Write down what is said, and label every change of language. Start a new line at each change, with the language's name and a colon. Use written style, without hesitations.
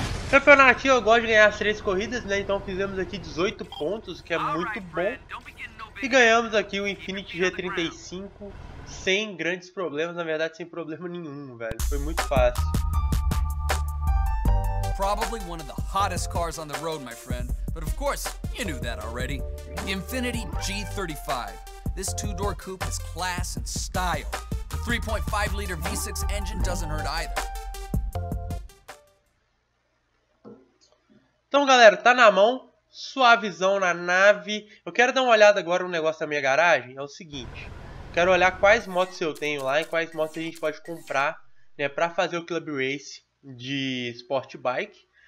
Portuguese: Campeonato, eu gosto de ganhar as três corridas, né? Então fizemos aqui 18 pontos, que é muito bom. E ganhamos aqui o Infiniti G35 sem grandes problemas, na verdade sem problema nenhum, velho. Foi muito fácil.
English: Probably one of the hottest cars on the road, my friend. But of course, you knew that already. The Infiniti G35. This two-door coupe has class and style. The 3.5-liter V6 engine doesn't hurt either.
Portuguese: Então, galera, tá na mão, suavizão na nave. Eu quero dar uma olhada agora no negócio da minha garagem. É o seguinte, quero olhar quais motos eu tenho lá e quais motos a gente pode comprar, né, para fazer o Club Race de Sport Bike.